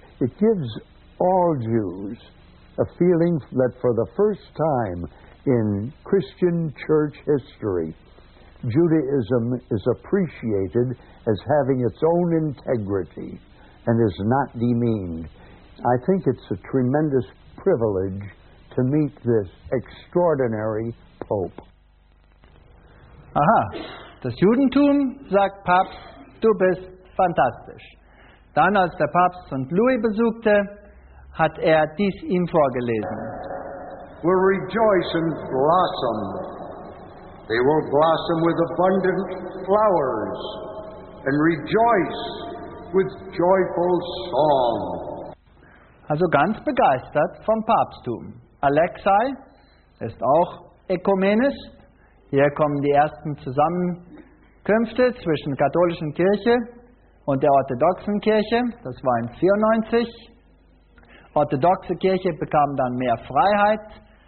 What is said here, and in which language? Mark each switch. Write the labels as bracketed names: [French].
[English] It gives all Jews a feeling that for the first time in Christian church history, Judaism is appreciated as having its own integrity and is not demeaned. I think it's a tremendous privilege to meet this extraordinary Pope. [German] Aha, das Judentum, sagt Papst, du bist fantastisch. Dann, als der Papst St. Louis besuchte, hat er dies ihm vorgelesen. [English] We'll rejoice and blossom. They will blossom with abundant flowers and rejoice with joyful song. [German] Also ganz begeistert vom Papsttum. Alexei ist auch Ökumenist. Hier kommen die ersten Zusammenkünfte zwischen der katholischen Kirche und der orthodoxen Kirche. Das war in 94. Orthodoxe Kirche bekam dann mehr Freiheit.